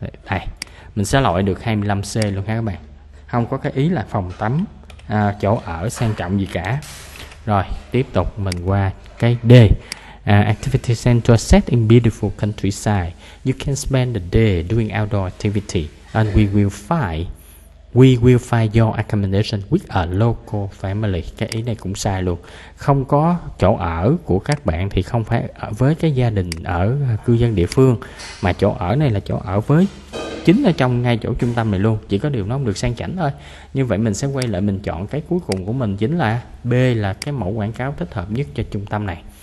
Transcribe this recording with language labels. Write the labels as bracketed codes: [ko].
[vi] Đây, mình sẽ loại được 25C luôn ha các bạn. Không có cái ý là phòng tắm, chỗ ở sang trọng gì cả. Rồi, tiếp tục mình qua cái D. [en] Activity center set in beautiful countryside. You can spend the day doing outdoor activity. And we will find your accommodation with a local family. [vi] Cái ý này cũng sai luôn. Không có chỗ ở của các bạn thì không phải ở với cái gia đình ở cư dân địa phương, mà chỗ ở này là chỗ ở với chính ở trong ngay chỗ trung tâm này luôn. Chỉ có điều nó không được sang chảnh thôi. Như vậy mình sẽ quay lại, mình chọn cái cuối cùng của mình chính là B, là cái mẫu quảng cáo thích hợp nhất cho trung tâm này.